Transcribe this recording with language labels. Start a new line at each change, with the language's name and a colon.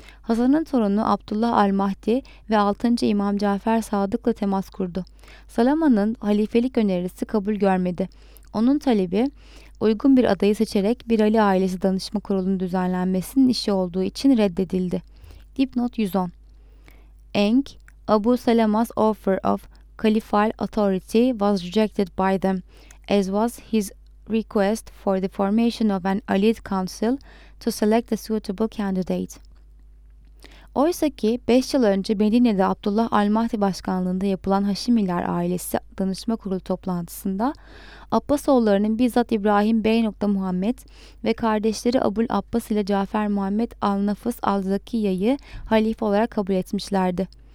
Turkish: Hasan'ın torunu Abdullah Al-Mahdi ve 6. İmam Cafer Sadık'la temas kurdu. Salama'nın halifelik önerisi kabul görmedi. Onun talebi uygun bir adayı seçerek bir Ali ailesi danışma kurulunun düzenlenmesinin işi olduğu için reddedildi. Dipnot 110
English: Eng, Ebu Salama's offer of caliphal authority was rejected by them, as was his request for the formation of an Alid council to select a suitable candidate.
Turkish: Oysa ki 5 yıl önce Medine'de Abdullah Al-Mahdi başkanlığında yapılan Haşimiler ailesi danışma kurulu toplantısında Abbas oğullarının bizzat İbrahim Bey. Muhammed ve kardeşleri Abul Abbas ile Cafer Muhammed Al-Nafıs Al-Zakiyya'yı halife olarak kabul etmişlerdi.